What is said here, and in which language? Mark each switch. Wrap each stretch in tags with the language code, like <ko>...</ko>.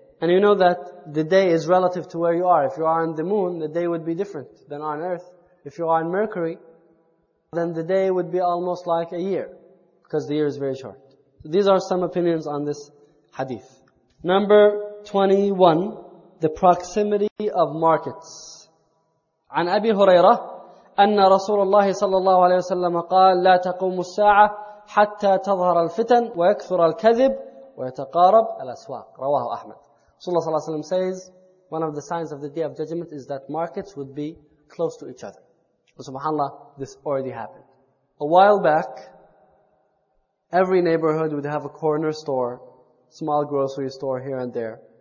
<en>And you know that the day is relative to where you are. If you are on the moon, the day would be different than on Earth. If you are on Mercury, then the day would be almost like a year, because the year is very short. So these are some opinions on this hadith. Number 21, the proximity of markets.</en> <ar>عن أبي هريرة أن رسول الله صلى الله عليه وسلم قال لا تقوم الساعة حتى تظهر الفتن ويكثر الكذب ويتقارب الأسواق. رواه أحمد. رسول الله صلى الله عليه وسلم</ar> <en>says one of the signs of the day of judgment is that markets would be close to each other. Subhanallah, this already happened. A while back, every neighborhood would have a corner store, small grocery store here and there.</en>